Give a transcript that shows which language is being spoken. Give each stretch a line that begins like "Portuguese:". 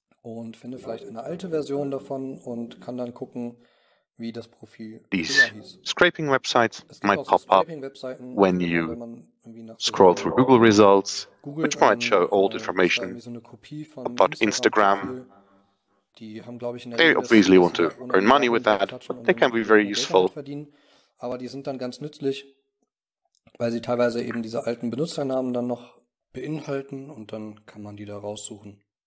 German: Und finde vielleicht eine alte Version davon und kann dann gucken, wie das Profil
English: these scraping websites might pop up when you scroll through Google results, which might show old information about Instagram. They obviously want to earn money with that, but they can be very useful.
German: Aber die sind dann ganz nützlich, weil sie teilweise eben diese alten Benutzernamen dann noch beinhalten und dann kann man die da raussuchen.